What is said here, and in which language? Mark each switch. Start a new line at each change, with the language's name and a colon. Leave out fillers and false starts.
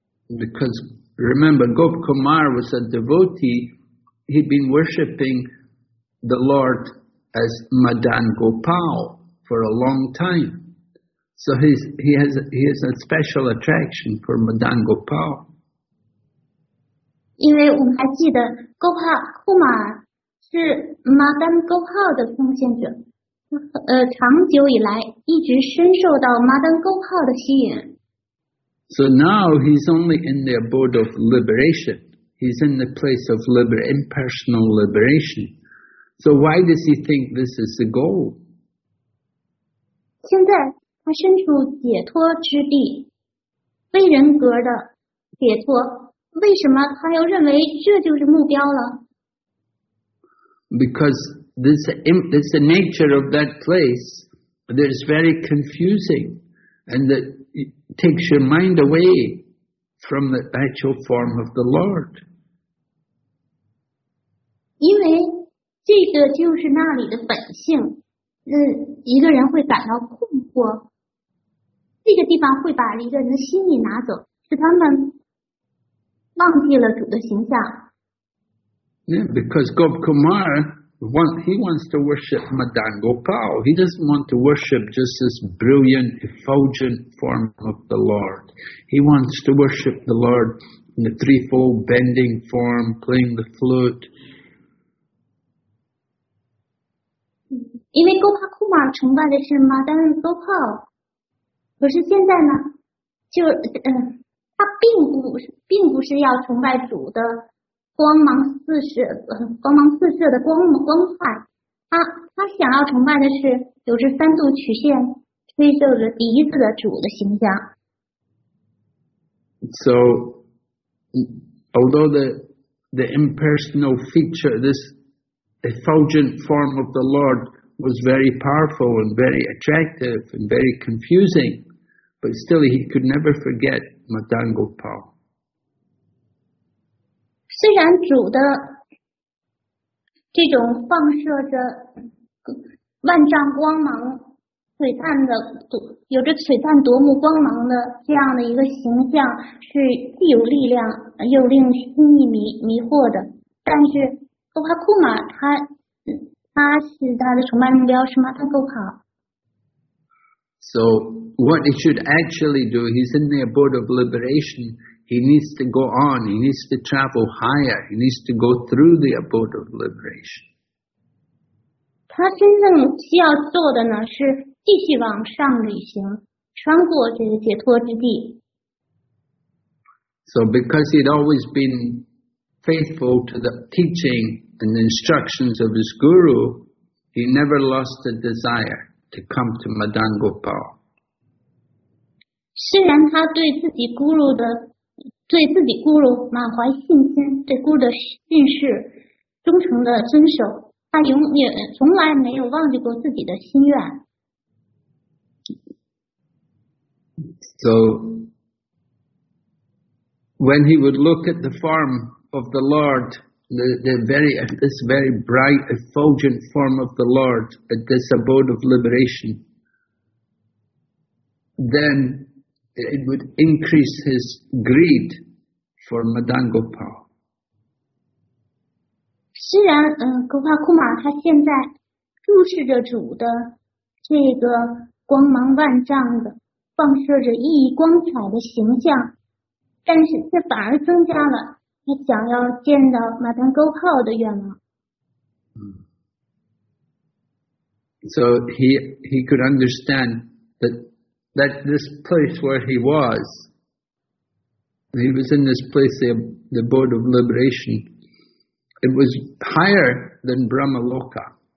English: Because remember, Gop Kumar was a devotee. He'd been worshipping the Lord as Madan Gopal for a long time. So he has a special attraction for Madan Gopal.
Chinese: 因为我们还记得勾号库马是马丹勾号的奉献者，长久以来一直深受到马丹勾号的吸引。
English: So now he's only in the abode of liberation. He's in the place of impersonal liberation. So why does he think this is the goal?
Chinese: 现在他身处解脱之地，非人格的解脱，为什么他又认为这就是目标了？
English: Because this nature of that place that is very confusing and that takes your mind away from the actual form of the Lord.
Chinese: 因为这个就是那里的本性，一个人会感到困惑，这个地方会把一个人的心意拿走，使他们忘记了主的形象。
English: Yeah, because Gop Kumar, he wants to worship Madan Gopal. He doesn't want to worship just this brilliant, effulgent form of the Lord. He wants to worship the Lord in the threefold bending form, playing the flute.
Chinese: 因为 Gop Kumar 崇拜的是 Madan Gopal, 可是现在呢，就他并不是要崇拜主的光芒四射的光彩，他想要崇拜的是有着三度曲线吹奏着笛子的主的形象。
English: So, although the impersonal feature, this effulgent form of the Lord was very powerful and very attractive and very confusing, but still he could never forget. Madan Gopal.
Chinese: 虽然主的这种放射着万丈光芒、璀璨的、有着璀璨夺目光芒的这样的一个形象是既有力量又令心意迷惑的，但是勾帕库玛他是他的崇拜目标是Madan Gopal。
English: So. What he should actually do, he's in the abode of liberation, he needs to go on, he needs to travel higher, he needs to go through the abode of liberation.
Chinese: 他真正需要做的呢是继续往上旅行，穿过这个解脱之地。
English: So because he'd always been faithful to the teaching and instructions of his guru, he never lost the desire to come to Madan Gopal.
Chinese: 虽然他对自己咕噜满怀信心，对咕噜的训示忠诚的遵守，他永远从来没有忘记过自己的心愿。
English: So, when he would look at the form of the Lord, this very bright, effulgent form of the Lord at this abode of liberation, then. It would increase his greed for Madan Gopal.
Chinese: 虽然勾帕库玛他现在注视着主的这个光芒万丈的放射着熠熠光彩的形象，但是这反而增加了他想要见到Madan Gopal的愿望。
English: So he could understand that this place where he was in this place, the abode of liberation, it was higher than Brahma Loka.